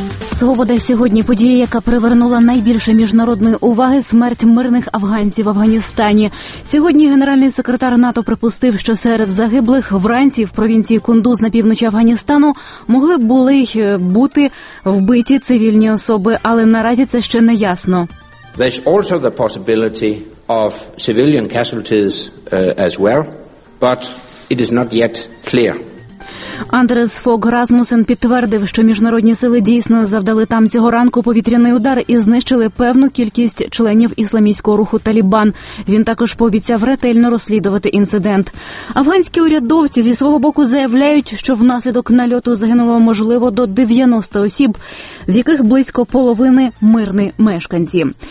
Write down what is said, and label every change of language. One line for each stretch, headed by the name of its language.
Ukrainian: Свобода сьогодні – подія, яка привернула найбільше міжнародної уваги – смерть мирних афганців в Афганістані. Сьогодні генеральний секретар НАТО припустив, що серед загиблих вранці в провінції Кундуз на півночі Афганістану могли були бути вбиті цивільні особи, але наразі це ще не ясно.
English: There's also the possibility of civilian casualties as well, but it is not yet clear.
Ukrainian: Андрес Фог Расмусен підтвердив, що міжнародні сили дійсно завдали там цього ранку повітряний удар і знищили певну кількість членів ісламського руху «Талібан». Він також пообіцяв ретельно розслідувати інцидент. Афганські урядовці зі свого боку заявляють, що внаслідок нальоту загинуло, можливо, до 90 осіб, з яких близько половини – мирні мешканці.